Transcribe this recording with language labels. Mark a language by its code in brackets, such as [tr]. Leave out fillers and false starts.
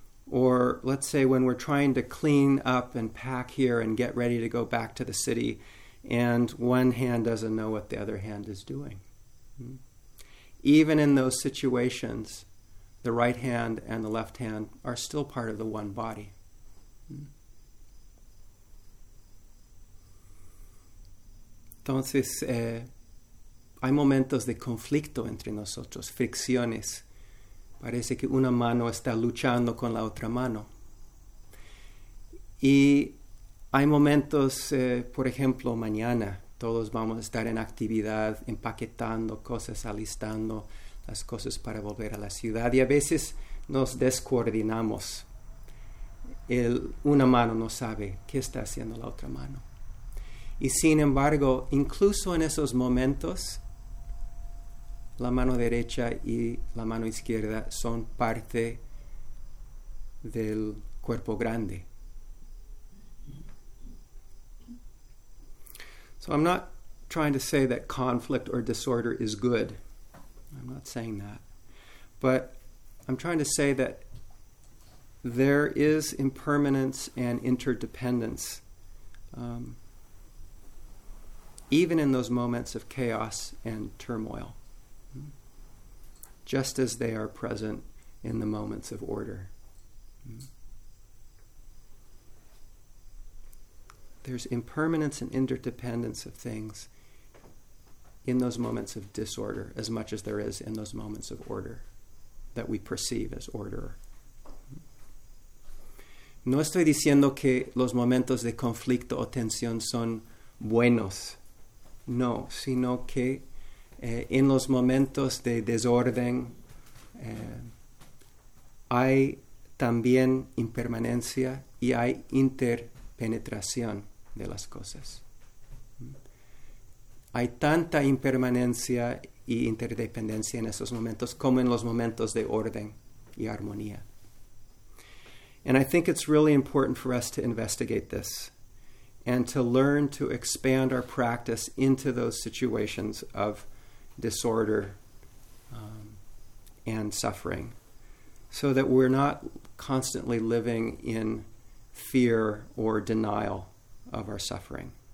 [en] Or let's say when we're trying to clean up and pack here and get ready to go back to the city, and one hand doesn't know what the other hand is doing. Even in those situations, the right hand and the left hand are still part of the one body. [es] Entonces, hay momentos de conflicto entre nosotros, fricciones. Parece que una mano está luchando con la otra mano. Y hay momentos, por ejemplo, mañana, todos vamos a estar en actividad, empaquetando cosas, alistando las cosas para volver a la ciudad. Y a veces nos descoordinamos. Una mano no sabe qué está haciendo la otra mano. Y sin embargo, incluso en esos momentos, la mano derecha y la mano izquierda son parte del cuerpo grande. [en] So I'm not trying to say that conflict or disorder is good. I'm not saying that. But I'm trying to say that there is impermanence and interdependence, even in those moments of chaos and turmoil, just as they are present in the moments of order. There's impermanence and interdependence of things in those moments of disorder as much as there is in those moments of order that we perceive as order. [es] No estoy diciendo que los momentos de conflicto o tensión son buenos. No, sino que en los momentos de desorden hay también impermanencia y hay interpenetración de las cosas. Hay tanta impermanencia y interdependencia en esos momentos como en los momentos de orden y armonía. [en] And I think it's really important for us to investigate this and to learn to expand our practice into those situations of disorder and suffering, so that we're not constantly living in fear or denial of our suffering.